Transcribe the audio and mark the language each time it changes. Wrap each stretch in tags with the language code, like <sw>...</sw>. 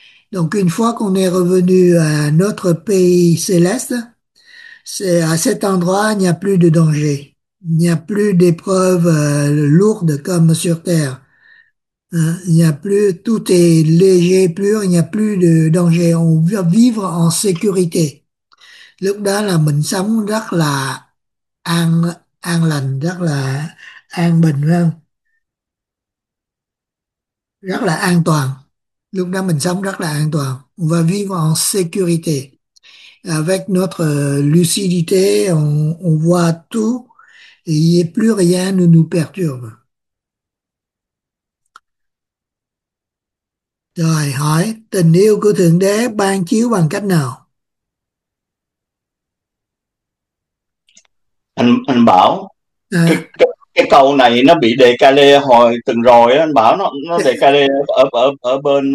<fr>Donc une fois qu'on est revenu à notre pays céleste, c'est à cet endroit il n'y a plus de danger, il n'y a plus d'épreuves lourdes comme sur terre. Hein? Il n'y a plus, tout est léger, pur, il n'y a plus de danger, on va vivre en sécurité.</fr> <vi>Lúc đó là mình sống rất là an lành, rất là an bình, phải không? Rất là an toàn. Lúc đó mình sống rất là an toàn.</vi> <fr>On va vivre en sécurité. Avec notre lucidité, on voit tout. Et plus rien ne nous perturbe.</fr> <vi>Rồi, hỏi tình yêu của Thượng Đế ban chiếu bằng cách nào? Anh bảo À. cái câu này nó bị đề ca lê hồi tuần rồi, anh bảo nó đề ca lê ở ở ở bên</vi>